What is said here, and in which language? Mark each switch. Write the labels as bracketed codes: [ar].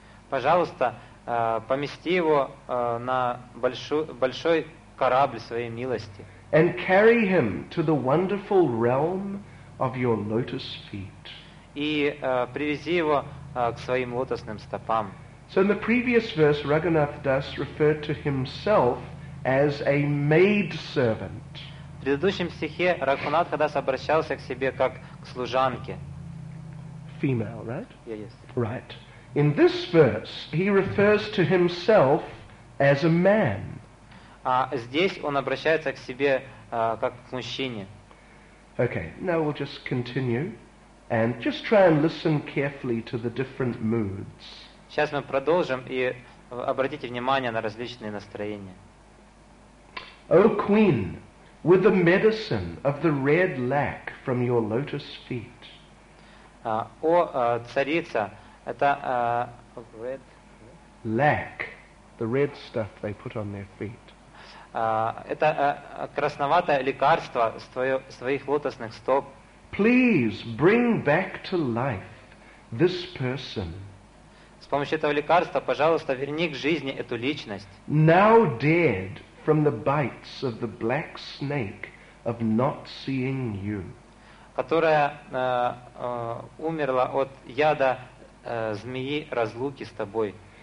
[ru] Пожалуйста, помести его на большой корабль своей милости. [en] And carry him to the wonderful realm of your lotus feet. [ru] И привези его к своим лотосным стопам. [en] So in the previous verse, Raghunath Das referred to himself as a maid servant. [ru] В предыдущем стихе Рагхунатха Дас обращался к себе как к служанке. [en] Female, right? Yes. Right. In this verse, he refers to himself as a man. [ru] А здесь он обращается к себе как к мужчине. [en] Okay, now we'll just continue and just try and listen carefully to the different moods. [ru] Сейчас мы продолжим и обратите внимание на различные настроения. [en] O queen, with the medicine of the red lac from your lotus feet. [ru] О царица, это [en] red lac, the red stuff they put on their feet. [ru] Это красноватое лекарство своих лотосных стоп. [en] Please bring back to life this person. [ru] С помощью этого лекарства, пожалуйста, верни к жизни эту личность. [en] Now dead from the bites of the black snake of not seeing you. [ru] Которая умерла от яда змеи разлуки с тобой.